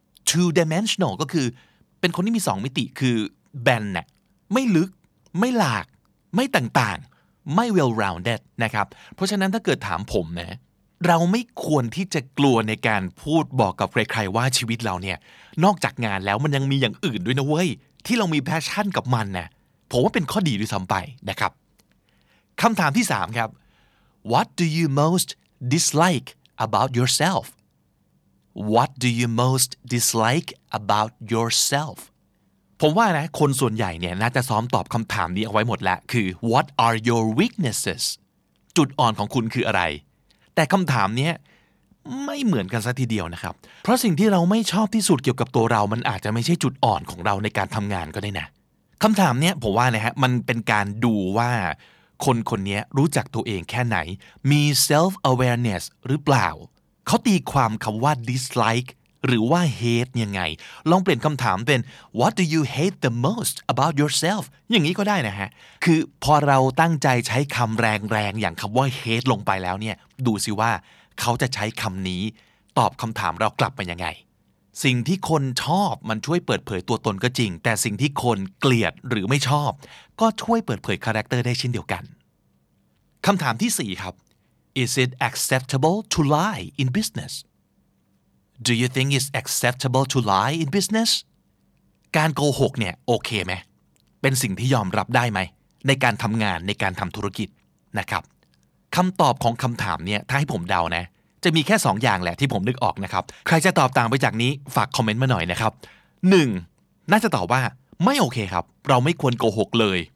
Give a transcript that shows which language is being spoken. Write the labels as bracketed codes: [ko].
[th] two dimensional ก็คือเป็นคนที่มี2มิติคือแบนน่ะไม่ลึกไม่หลากไม่ต่างๆไม่ well rounded นะครับเพราะฉะนั้นถ้าเกิดถามผมนะเราไม่ควรที่จะกลัวในการพูดบอกกับใครๆว่าชีวิตเราเนี่ยนอกจากงานแล้วมันยังมีอย่างอื่นด้วยนะเว้ยที่เรามีแพชชั่นกับมันนะผมว่าเป็นข้อดีด้วยซ้ำไปนะครับคำถามที่3ครับ [en] What do you most dislike about yourself? What do you most dislike about yourself? [th] ผมว่านะคนส่วนใหญ่เนี่ยน่าจะซ้อมตอบคำถามนี้เอาไว้หมดแล้วคือ [en] What are your weaknesses? [th] จุดอ่อนของคุณคืออะไรแต่คำถามนี้ไม่เหมือนกันซะทีเดียวนะครับเพราะสิ่งที่เราไม่ชอบที่สุดเกี่ยวกับตัวเรามันอาจจะไม่ใช่จุดอ่อนของเราในการทำงานก็ได้นะคำถามนี้ผมว่านะฮะมันเป็นการดูว่า คนคนนี้รู้จักตัวเองแค่ไหนมี self awareness หรือเปล่าเขาตีความคำว่า dislike หรือว่า hate ยังไงลองเปลี่ยนคำถามเป็น [en] what do you hate the most about yourself [th] อย่างนี้ก็ได้นะฮะคือพอเราตั้งใจใช้คำแรงๆอย่างคำว่า hate ลงไปแล้วเนี่ยดูสิว่าเขาจะใช้คำนี้ตอบคำถามเรากลับมายังไง สิ่งที่คนชอบมันช่วยเปิดเผยตัวตนก็จริงแต่สิ่งที่คนเกลียดหรือไม่ชอบก็ช่วยเปิดเผยคาแรคเตอร์ได้เช่นเดียวกันคำถามที่4ครับ [en] Is it acceptable to lie in business? Do you think it's acceptable to lie in business? [th] การโกหกเนี่ยโอเคไหมเป็นสิ่งที่ยอมรับได้ไหมในการทำงานในการทำธุรกิจนะครับคำตอบของคำถามเนี่ยถ้าให้ผมเดานะจะมีแค่2 อย่างแหละที่ผมนึกออกนะครับใครจะตอบต่างไปจากนี้ฝากคอมเมนต์มาหน่อยนะครับ1น่าจะตอบว่าไม่โอเคครับเราไม่ควรโกหกเลย